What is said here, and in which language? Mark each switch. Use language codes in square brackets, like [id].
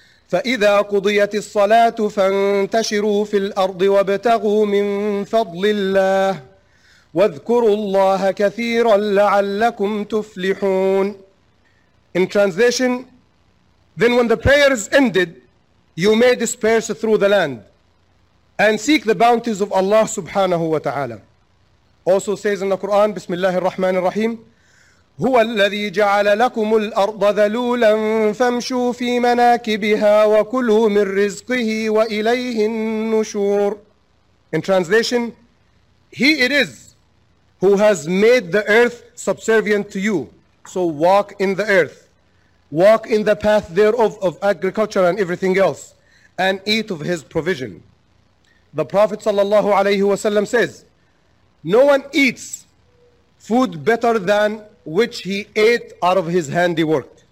[ar] فَإِذَا قُضِيَتِ الصَّلَاةُ فَانْتَشِرُوا فِي الْأَرْضِ وَابْتَغُوا مِنْ فَضْلِ اللَّهِ وَاذْكُرُوا اللَّهَ كَثِيرًا لَعَلَّكُمْ تُفْلِحُونَ. [en] In translation, then when the prayer is ended, you may disperse through the land and seek the bounties of Allah subhanahu wa ta'ala. Also says in the Quran, [ar] Bismillahir Rahmanir Rahim. هو الذي جعل لكم الأرض ذلولا فامشوا في مناكبها وكلوا من رزقه وإليه النشور. [en] In translation, He it is who has made the earth subservient to you. So walk in the earth. Walk in the path thereof of agriculture and everything else. And eat of His provision. The Prophet sallallahu alayhi wa sallam says, no one eats food better than which he ate out of his handiwork.